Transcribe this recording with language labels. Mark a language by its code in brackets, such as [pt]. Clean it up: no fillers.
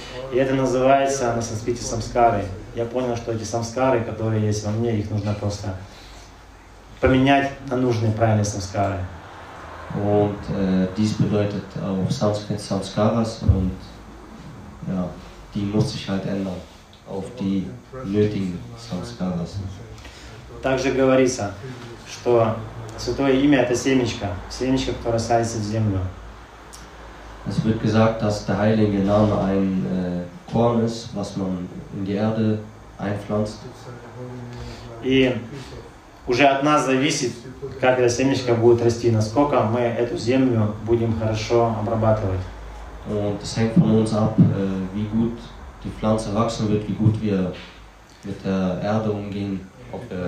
[ru] И это называется на санскрите самскары. Я понял, что эти самскары, которые есть во мне, их нужно просто поменять на нужные правильные самскары. [de] Und dies bedeutet auf Sanskrit samskaras und ja, die muss ich halt ändern. Auf die nötigen Samskaras. [ru] Также говорится, что Святое Имя – это семечко, которое садится в землю. [de] Es wird gesagt, dass der Heilige Name ein Korn ist, was man in die Erde einpflanzt. [ru] И уже от нас зависит, как это семечко будет расти, насколько мы эту землю будем хорошо обрабатывать. [de] Und es hängt von uns ab, wie gut die Pflanze wachsen wird, wie gut wir mit der Erde umgehen, ob